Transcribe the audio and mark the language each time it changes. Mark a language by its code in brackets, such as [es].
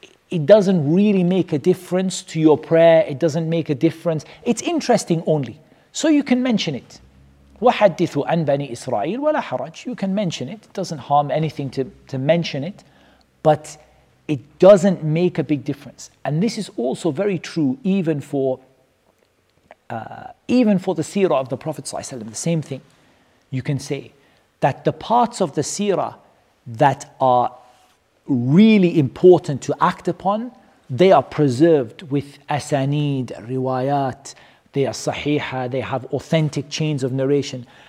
[en] It doesn't really make a difference to your prayer. It doesn't make a difference. It's interesting only, so you can mention it. [ar] وَحَدِّثُ عَنْ بَنِي إِسْرَائِيلَ وَلَا حَرَجْ [en] You can mention it. It doesn't harm anything to mention it. But it doesn't make a big difference. And this is also very true even for the seerah of the Prophet ﷺ. The same thing you can say. That the parts of the seerah that are really important to act upon, they are preserved with asaneed, riwayat, they are sahiha, they have authentic chains of narration.